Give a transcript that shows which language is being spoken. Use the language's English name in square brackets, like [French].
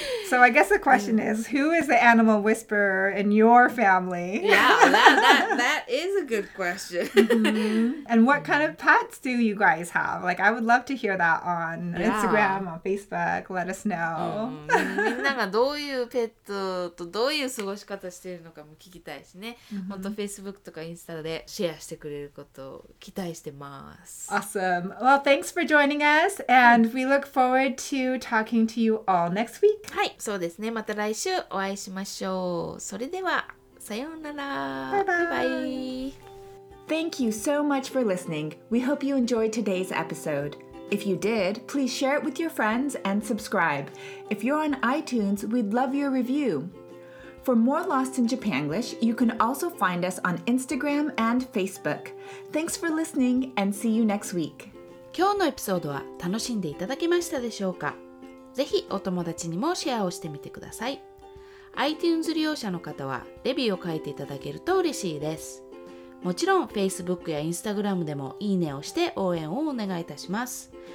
[English] So I guess the question is, who is the animal whisperer in your family? yeah, that is a good question. And what kind of pets do you guys have? Like, I would love to hear that on Instagram, on Facebook. Let us know. [Japanese] みんながどういうペットとどういう過ごし方してるのかも聞きたいしね。本当 Facebook とか Instagram でシェアしてくれることを期待してます。 [English] Awesome. Well, thanks for joining us. And we look forward to talking to you all next week. [Japanese] はい。そうですね。また来週お会いしましょう。それでは、さようなら。 [English] バイバイ。Thank you so much for listening. We hope you enjoyed today's episode. If you did, please share it with your friends and subscribe. If you're on iTunes, we'd love your review. For more Lost in Japanglish, you can also find us on Instagram and Facebook. Thanks for listening and see you next week. [Japanese] 今日のエピソードは楽しんでいただけましたでしょうか?ぜひお友達にもシェアをしてみてください。 iTunes 利用者の方はレビューを書いていただけると嬉しいです。もちろん Facebook や Instagram でもいいねをして応援をお願いいたします。